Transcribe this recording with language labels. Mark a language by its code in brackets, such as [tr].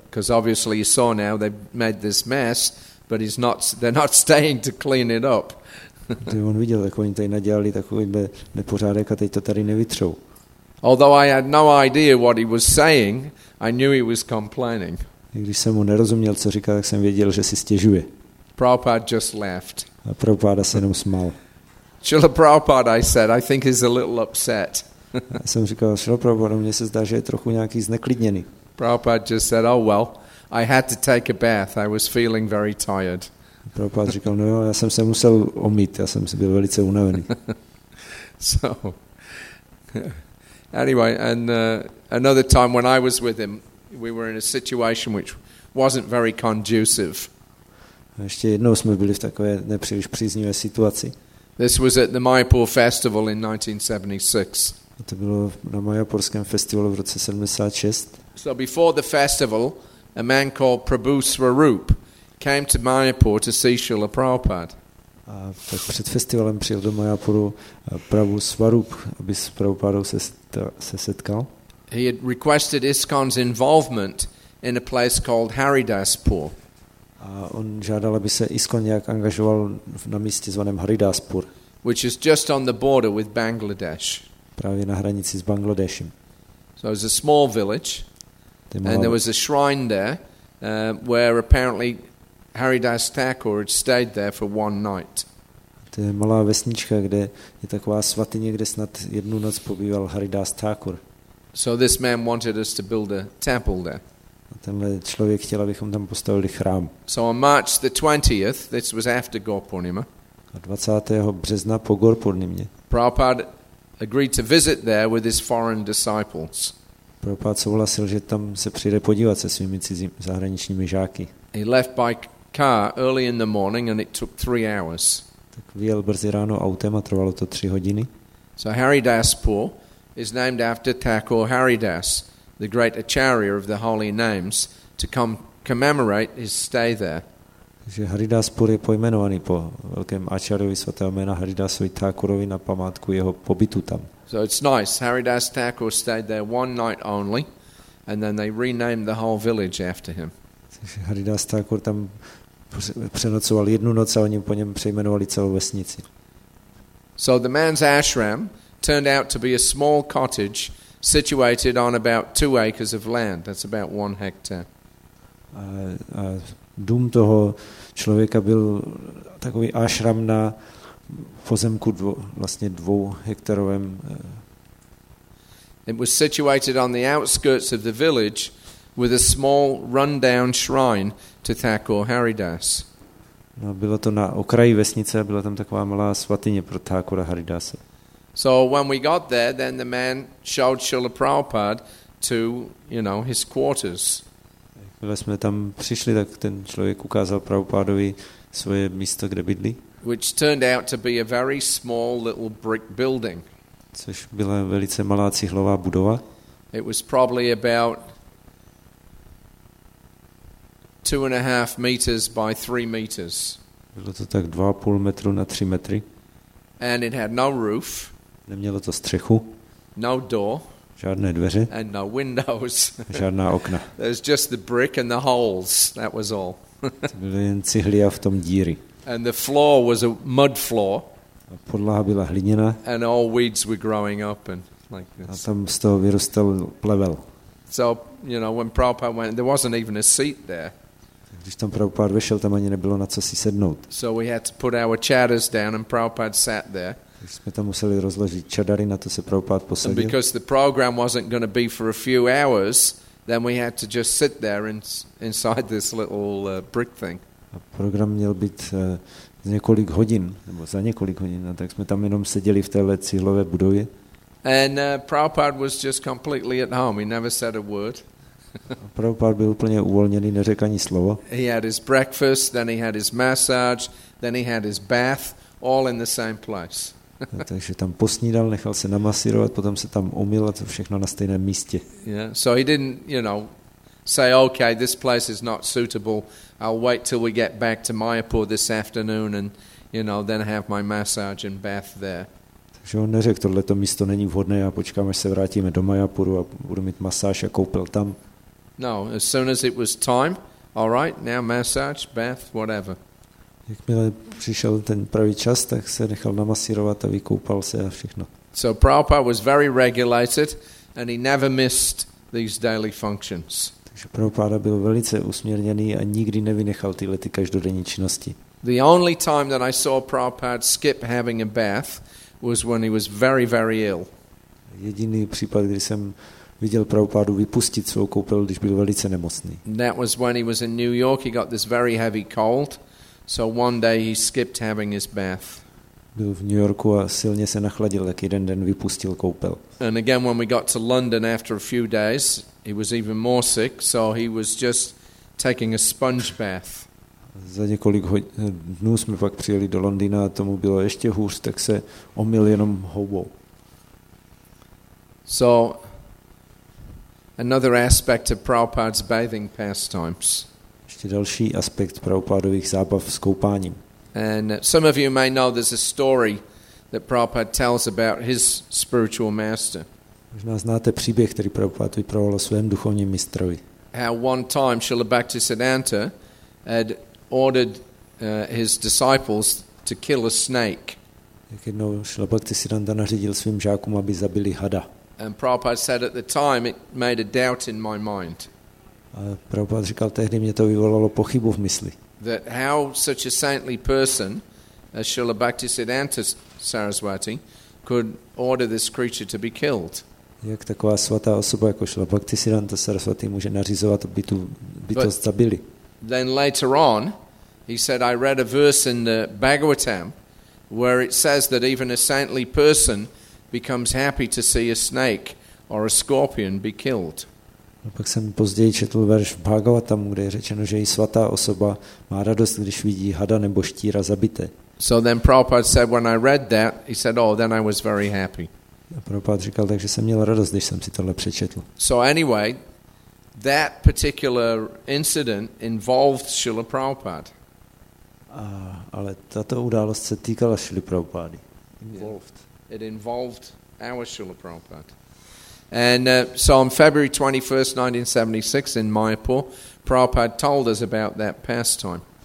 [en] Because obviously you saw now they made this mess, but they're not staying to clean it up. [cs] On viděl, jak oni tady nadělali takovýhle nepořádek a teď to tady nevytřou. [en] Although I had no idea what he was saying, I knew he was complaining. [cs] Když jsem mu nerozuměl, co říkal, tak jsem věděl, že si stěžuje. [en] Prabhupada just laughed. [cs] A Prabhupada se jenom smál. [en] Srila Prabhupada, I said, I think he's a little upset. [cs] Já jsem říkal, Srila Prabhupada, mně se zdá, že je trochu nějaký zneklidněný. [en] Prabhupada just said, oh well, I had to take a bath, I was feeling very tired. [cs] Prabhupada říkal, no jo, já jsem se musel omýt, já jsem byl velice unavený. [en] So, anyway, and another time when I was with him, we were in a situation which wasn't very conducive. [cs] A ještě jednou jsme byli v takové nepříliš příznivé situaci. [en] This was at the Mayapur festival in 1976. [cs] To bylo na Mayapurském festivalu v roce 76. [en] So before the festival, a man called Prabhu Swarup came to Mayapur to see Srila Prabhupada. [cs] Tak před festivalem přijel do Mayapuru Prabhu Swarup, aby s Prabhupádou se setkal. [en] he had requested ISKCON's involvement in a place called Haridaspur. [cs] A on žádal, aby se ISKCON nějak angažoval na místě zvaném Haridaspur, [en] which is just on the border with Bangladesh. [cs] Právě na hranici s Bangladeshem. [en] So it was a small village, and there was a shrine there where apparently Haridas Thakur had stayed there for one night. [cs] To je malá vesnička, kde je taková svatyně, kde snad jednu noc pobýval Haridas Thakur. [en] So this man wanted us to build a temple there. [cs] A tenhle člověk chtěl, abychom tam postavili chrám. [en] So on March the 20th, this was after Gaur Purnima. [cs] A 20. března po Gaur Purnimě. [en] Prabhupada agreed to visit there with his foreign disciples. [cs] Prabhupada souhlasil, že tam se přijde podívat se svými cizími zahraničními žáky. [en] He left by car early in the morning and it took 3 hours. [cs] Tak vyjel brzy ráno autem a trvalo to 3 hodiny. [en] So Haridaspur is named after Thakur Haridas, the great acharya of the holy names, to commemorate his stay there. [cs] Takže Haridaspur je pojmenovaný po velkém acharyovi svatého jména Haridasovi Thakurovi na památku jeho pobytu tam. [en] So it's nice. Haridas Thakur stayed there one night only, and then they renamed the whole village after him. [cs] Takže Haridas Thakur tam přenocoval jednu noc a oni po něm přejmenovali celou vesnici. [en] So the man's ashram turned out to be a small cottage situated on about 2 acres of land. That's about 1 hectare. [cs] A dům toho člověka byl takový ashram na pozemku vlastně 2 hektarovém. [en] It was situated on the outskirts of the village with a small run-down shrine to Thakur Haridas. [cs] No, bylo to na okraji vesnice, byla tam taková malá svatyně pro Thakura Haridase. [en] So when we got there, then the man showed Srila Prabhupada to, you know, his quarters. [cs] Když jsme tam přišli, tak ten člověk ukázal Prabhupádovi svoje místo, kde bydlí. [en] Which turned out to be a very small little brick building. [cs] Což byla velice malá cihlová budova. [en] It was probably about 2.5 meters by 3 meters. [cs] Bylo to tak 2.5 metru na 3 metry. [en] And it had no roof. [cs] Nemělo to střechu. [en] No door. [cs] Žádné dveře. [en] And no windows. [cs] Žádná okna. [en] It was just the brick and the holes. That was all. [cs] Byly jen cihly a v tom díry. [en] And the floor was a mud floor. [cs] A podlaha byla hliněná. [en] And all weeds were growing up and like this. [cs] A tam z toho vyrostl plevel. [en] So, you know, when Prabhupada went, there wasn't even a seat there. [cs] Když tam Prabhupada vyšel, tam ani nebylo na co si sednout. [en] So we had to put our chadars down and Prabhupada sat there. [cs] Tak jsme tam museli rozložit čadary, na to se Prabhupada posadil. [en] And because the program wasn't going to be for a few hours, then we had to just sit there inside this little brick thing. [cs] A program měl být několik hodin, nebo za několik hodin, a tak jsme tam jenom seděli v téhle cihlové budově. [en] And Prabhupada was just completely at home. He never said a word. [cs] Prabhupada byl úplně uvolněný, neřekl ani slovo. [en] He had his breakfast, then he had his massage, then he had his bath, all in the same place. [cs] Takže tam posnídal, nechal se namasírovat, potom se tam umyl a to všechno na stejném místě. [en] Yeah, so he didn't, you know, say, okay, this place is not suitable. I'll wait till we get back to Mayapur this afternoon and, you know, then have my massage and bath there. [cs] Že on neřekl, tohle to místo není vhodné a počkáme, až se vrátíme do Mayapuru a budu mít masáž a koupel tam. [en] No, as soon as it was time, all right, now massage, bath, whatever. [cs] Jakmile přišel ten pravý čas, tak se nechal namasírovat a vykoupal se a všechno. [en] So Prabhupada was very regulated and he never missed these daily functions. [cs] Takže Prabhupada byl velice usměrněný a nikdy nevynechal tyhle ty každodenní činnosti. [en] The only time that I saw Prabhupada skip having a bath was when he was very, very ill. [cs] Jediný případ, kdy jsem viděl Prabhupádu vypustit svou koupel, když byl velice nemocný. [en] That was when he was in New York. He got this very heavy cold, so one day he skipped having his bath. [cs] Byl v New Yorku a silně se nachladil, tak jeden den vypustil koupel. [en] And again, when we got to London after a few days, he was even more sick, so he was just taking a sponge bath. [cs] Za několik dnů jsme pak přijeli do Londýna a tomu bylo ještě hůř, tak se omyl jenom houbou. [en] So another aspect of Prabhupada's bathing pastimes. [cs] Ještě další aspekt Prabhupádových zábav s koupáním. [en] And some of you may know there's a story that Prabhupada tells about his spiritual master. [cs] Možná znáte příběh, který Prabhupád vyprávěl o svém duchovním mistrovi. [en] How one time Srila Bhaktisiddhanta had ordered his disciples to kill a snake. [cs] Jak jednou Srila Bhaktisiddhanta nařídil svým žákům, aby zabili hada. [en] And Prabhupada said at the time it made a doubt in my mind. [cs] A Prabhupád říkal, tehdy mě to vyvolalo pochybu v mysli. [en] That how such a saintly person as Srila Bhaktisiddhanta Saraswati could order this creature to be killed. [cs] Jak taková svatá osoba jako Srila Bhaktisiddhanta Saraswati může nařizovat, aby tu bytost zabili. [en] Then later on he said I read a verse in the Bhagavatam where it says that even a saintly person becomes happy to see a snake or a scorpion be killed. [cs] A pak jsem později četl verš v Bhagavatamu, kde je řečeno, že i svatá osoba má radost, když vidí hada nebo štíra zabité. [en] So then Prabhupada said when I read that, he said oh then I was very happy. [cs] A Prabhupada říkal, takže jsem měl radost, když jsem si tohle přečetl. [en] So anyway, that particular incident involved Srila Prabhupada. [cs] Ale tato událost se týkala Srily Prabhupady. [en] Involved. It involved our Srila Prabhupada. And so on February 21st, 1976 in Mayapur, Prabhupada told us about that pastime.